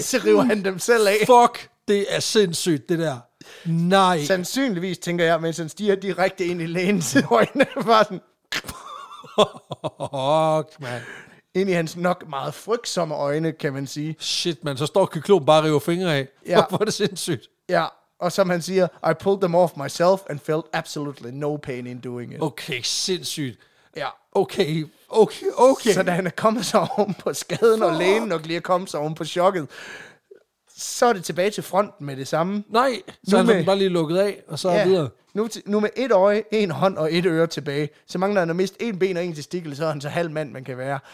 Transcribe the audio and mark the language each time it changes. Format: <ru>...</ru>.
<da>Så river han dem selv af. Fuck, det er sindssygt det der. Nej. Sandsynligvis, tænker jeg, mens han stiger direkte ind i lægens øjne, bare sådan, fuck, man. Ind i hans nok meget frygtsomme øjne, kan man sige. Shit, man. Så står kyklon bare og river fingre af. Ja. Hvor er det sindssygt. Ja, og som han siger,</da> <en>I pulled them off myself and felt absolutely no pain in doing it.</en> <da>Okay, sindssygt. Ja. Okay. Så da han er kommet sig oven på skaden, fuck, og lægen nok lige er kommet sig oven på chokket, så er det tilbage til fronten med det samme. Nej, så nu han med, bare lige lukket af, og så videre. Nu med et øje, en hånd og et øre tilbage, så mangler han at miste en ben og en testikel, så er han så halv mand, man kan være.</da>